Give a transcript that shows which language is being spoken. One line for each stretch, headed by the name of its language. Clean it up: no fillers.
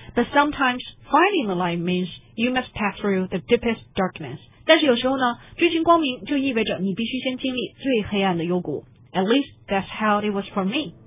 English: But sometimes finding the light means you must pass through the deepest darkness.
Chinese: 但是有时候呢，追寻光明就意味着你必须先经历最黑暗的幽谷。
English: At least that's how it was for me.